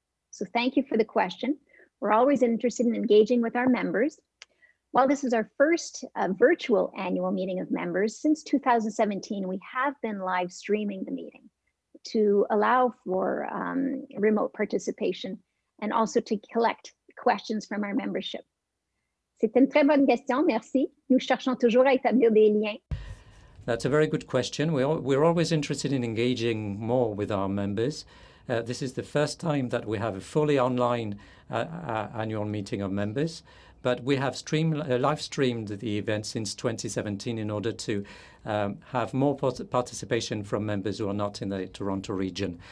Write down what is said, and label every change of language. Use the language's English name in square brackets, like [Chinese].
[English] So thank you for the question. We're always interested in engaging with our members. While this is our first virtual annual meeting of members, since 2017, we have been live streaming the meeting to allow for remote participation and also to collect questions from our membership. [French] C'est une très bonne question, merci. Nous cherchons toujours à établir des liens. [English] That's a very good question. We're always interested in engaging more with our members. This is the first time that we have a fully online annual meeting of members, but we have live streamed the event since 2017 in order to have more participation from members who are not in the Toronto region.